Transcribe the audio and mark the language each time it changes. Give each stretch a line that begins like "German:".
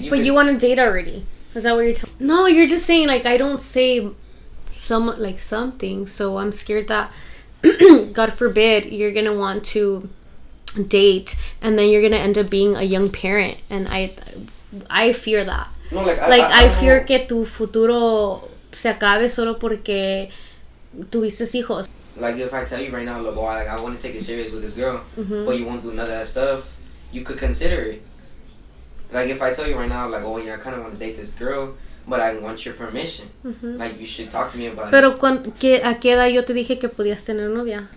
English: You want to date already? Is that what you're telling? No, you're just saying like I don't say something. So I'm scared that God forbid you're gonna want to date and then you're gonna end up being a young parent, and I fear that. No, I fear
Spanish: que tu futuro se acabe solo porque tuviste hijos.
English: Like, if I tell you right now, like, oh, like, I want to take it serious with this girl, mm-hmm. but you won't do none of that stuff, you could consider it. Like, if I tell you right now, like, oh, yeah, I kind of want to date this girl, but I want your permission. Mm-hmm. Like, you should talk to me about
Spanish: pero
English: it.
Spanish: Pero a qué edad yo te dije que podías tener novia?